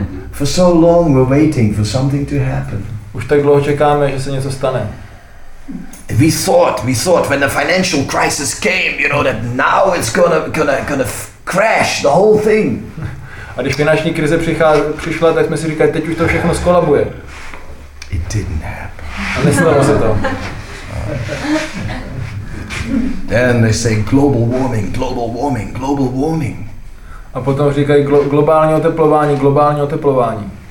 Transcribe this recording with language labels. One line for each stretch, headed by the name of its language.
English: For so long we're waiting for something to happen.
Czech: Už tak dlouho čekáme, že se něco stane.
English: We thought when the financial crisis came, you know, that now it's gonna crash the whole thing.
Czech: A když finanční krize přišla, tak jsme si říkali, teď už to všechno skolabuje.
English: It didn't happen.
Czech: A nestalo se to.
English: Then they say global warming.
Czech: A potom říkají globální oteplování.